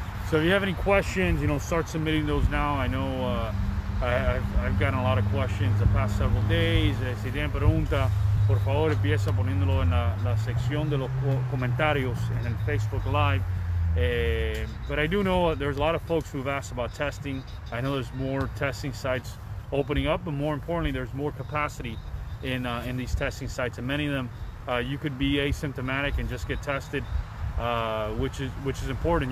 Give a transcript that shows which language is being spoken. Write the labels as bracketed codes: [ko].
[en] So if you have any questions, you know, start submitting those now. I know I've gotten a lot of questions the past several days. [es] Si tienen pregunta, por favor, empieza poniéndolo en la sección de los comentarios en el Facebook Live. [en] But I do know there's a lot of folks who've asked about testing. I know there's more testing sites opening up, but more importantly, there's more capacity in these testing sites. And many of them, you could be asymptomatic and just get tested, which is important.